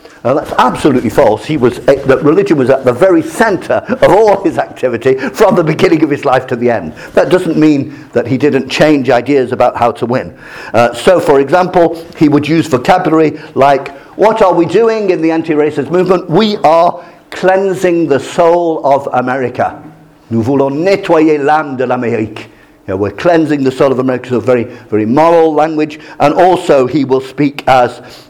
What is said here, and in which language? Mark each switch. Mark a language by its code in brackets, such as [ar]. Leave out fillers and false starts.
[en] That's absolutely false. Religion was at the very centre of all his activity from the beginning of his life to the end. That doesn't mean that he didn't change ideas about how to win. So, for example, he would use vocabulary like, what are we doing in the anti-racist movement? We are cleansing the soul of America. [fr] Nous voulons nettoyer l'âme de l'Amérique. [en] Yeah, we're cleansing the soul of America. So very, very moral language. And also he will speak as...